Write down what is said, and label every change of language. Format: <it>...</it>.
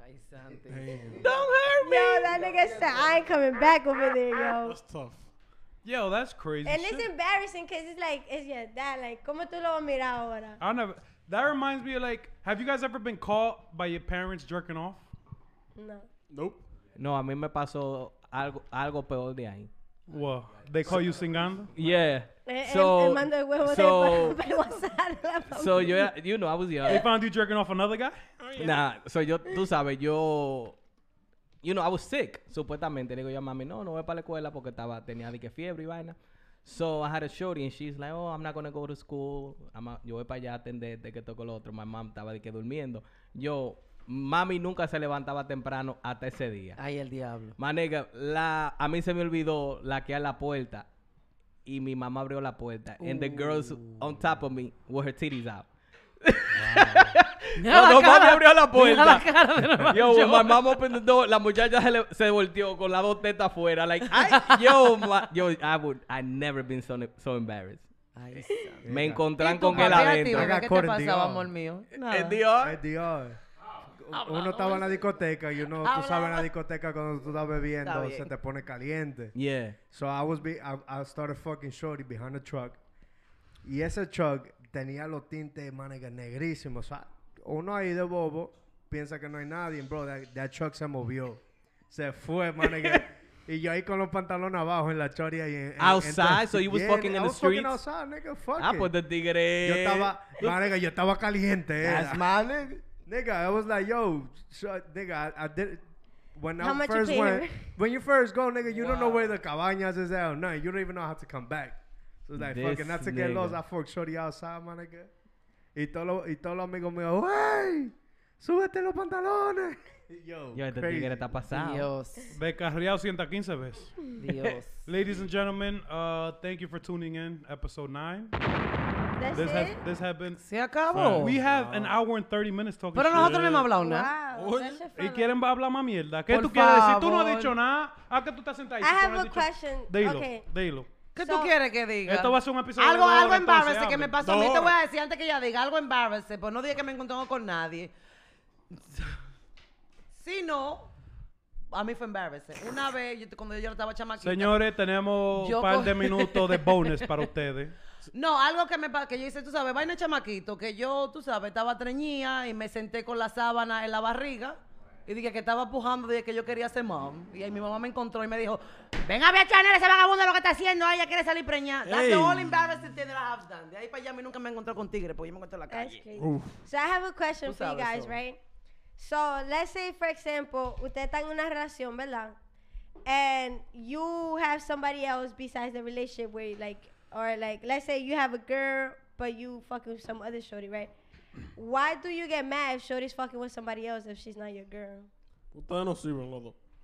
<en>Don't hurt me. Yo, that nigga said, I ain't coming back over there, yo. That's tough. Yo, that's crazy. And shit. It's embarrassing because it's like, it's your dad, like,</en> <es>¿cómo tú lo vas a mirar ahora?</es> <en>I don't know. That reminds me of, like, have you guys ever been caught by your parents jerking off? No. Nope.</en> <es>No, a mí me pasó algo peor de ahí.</es> <en>What? They call you singando? Yeah. So, you know, I was young. They found you jerking off another guy? Oh, yeah. Nah, so</en> <es>yo, tú sabes, yo,</es> <en>you know, I was sick,</en> <es>supuestamente. Le digo yo a mami, no, no voy para la escuela porque estaba, tenía de que fiebre y vaina.</es> <en>So I had a shorty and she's like, oh, I'm not going to go to school.</en> <es>Yo voy para allá a atenderte, que toco lo otro.</es> <en>My mom</en> <es>estaba de que durmiendo. Yo, mami nunca se levantaba temprano hasta ese día. Ay, el diablo. Manega, a mí se me olvidó laquear la puerta. Y mi mamá abrió la puerta. Ooh.</es> <en>And the girls on top of me with her titties out.</en> <es>Wow. Cuando mami abrió la puerta. Yo,</es> <en>when my mom opened the door,</en> <es>la muchacha se volteó con las dos tetas afuera.</es> <en>Like, I've never been so embarrassed.</en> <es>Ay, me encontraron con él adentro. ¿Qué te pasaba, amor mío? Es Dios. Uno estaba en la discoteca,</es> <en>you know,</en> <es>tú sabes, en la discoteca cuando tú estás bebiendo, está se te pone caliente.</es> <en>Yeah. So I started fucking shorty behind the truck.</en> <es>Y ese truck tenía los tintes, manega, negrísimos. O sea, uno ahí de bobo piensa que no hay nadie.</es> <en>Bro, that truck</en> <es>se movió. Se fue, manega. Y yo ahí con los pantalones abajo en la choria.</es> <en>Outside, so you was fucking in the streets? I was fucking outside, nigga, fuck it.</en> <es>Ah, pues de tigre. Yo estaba caliente.</es> <en>That's manega. Nigga, I was like, yo, nigga, I did when how I much first you pay went. Her? When you first go, nigga, you don't know where the cabañas is at or nothing. You don't even know how to come back. So like, this fucking, not to get lost, I fucked shorty outside, my nigga.</en> <es>Y todos los amigos me go, hey, súbete los pantalones. Yo, este tigre está pasado. Dios. Becarriado 115 veces. Dios.</es> <en>Ladies and gentlemen, thank you for tuning in, episode 9. This has been.</en> <es>Se acabó.</es> <en>We have an hour and 30 minutes talking.</en> <es>Pero nosotros no hemos hablado nada. ¿Y quieren hablar más mierda? ¿Qué tú quieres decir? Tú no has dicho nada. ¿A qué tú estás sentado?</es> <en>I have a question.</en> <es>Dilo. ¿Qué tú quieres que diga? Esto va a ser un episodio. Algo embarrassing que me pasó. A mí te voy a decir antes que ella diga algo embarrassing. Pues no dije que me encontré con nadie. Si no, a mí fue embarrassing. Una vez, cuando yo estaba chamaquita. Señores, tenemos un par de minutos de bonus para ustedes. No, algo que yo hice, tú sabes, vaina chamaquito, que yo, tú sabes, estaba treñida y me senté con la sábana en la barriga y dije que estaba pujando, dije que yo quería ser mom. Y ahí mi mamá me encontró y me dijo, venga, ve a Chanel, ese vagabundo lo que está haciendo, ella quiere salir preñada. Hey.</es> <en>That's the only embarrassing thing that I have done.</en> <es>De ahí para allá, a mí nunca me encontré con tigre, porque yo me encontré en la calle.</es> <en>So I have a question for you guys, right? So, let's say, for example,</en> <es>usted está en una relación, ¿verdad?</es> <en>And you have somebody else besides the relationship where you, like, or like, let's say you have a girl, but you fucking with some other shorty, right? Why do you get mad if shorty's fucking with somebody else if she's not your girl?</en> <es>Ustedes no sirven, loco.</es>